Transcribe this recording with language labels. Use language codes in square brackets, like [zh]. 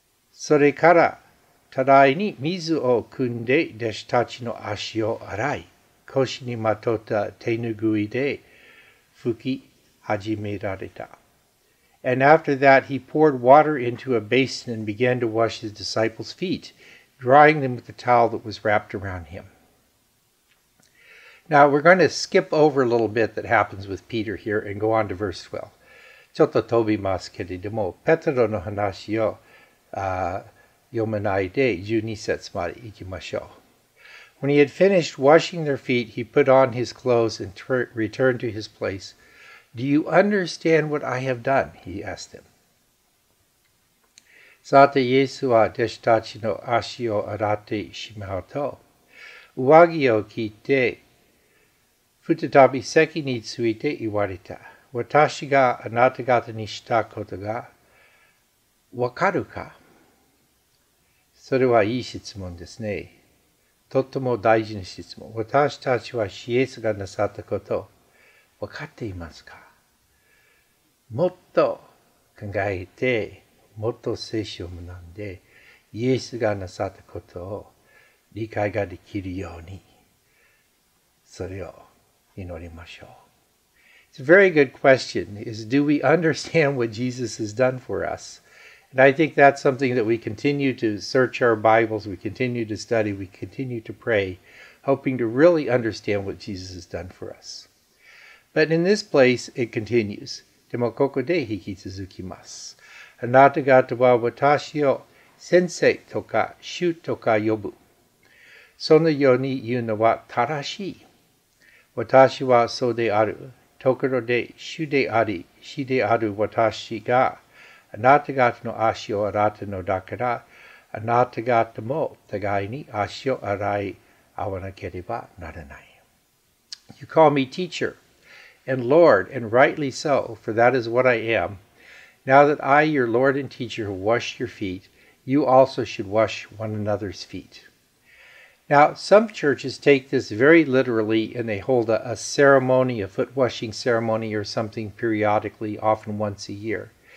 [ja] それから、たらいに水を汲んで弟子たちの足を洗い、腰にまとった手ぬぐいで拭き始められた。 [en] And after that, he poured water into a basin and began to wash his disciples' feet, drying them with the towel that was wrapped around him. Now, we're going to skip over a little bit that happens with Peter here and go on to verse 12. [ja] ちょっと飛びますけれども、ペトロの話を読まないで12節まで行きましょう。 [en] When he had finished washing their feet, he put on his clothes and returned to his place. Do you understand what I have done? He asked them. [ja] さて、イエスは弟子たちの足を洗ってしまうと、上着を着て、再び席について言われた。私があなた方にしたことがわかるか? それはいい質問ですね。とっても大事な質問。私たちはイエスがなさったことわかっていますか? もっと考えて、もっと聖書を学んで、イエスがなさったことを理解ができるように、それを [en] It's a very good question, is do we understand what Jesus has done for us? And I think that's something that we continue to search our Bibles, we continue to study, we continue to pray, hoping to really understand what Jesus has done for us. But in this place, it continues. [ja] でもここで引き続きます。あなた方は私を先生とか主とか呼ぶ。そのように言うのは正しい。私はそうである。ところで主であり、死である私が、あなた方の足を洗ったのだから、あなた方も互いに足を洗い合わなければならない。 [en] You call me teacher and Lord, and rightly so, for that is what I am. Now that I, your Lord and teacher, have washed your feet, you also should wash one another's feet. Now, some churches take this very literally, and they hold a ceremony, a foot-washing ceremony or something periodically, often once a year.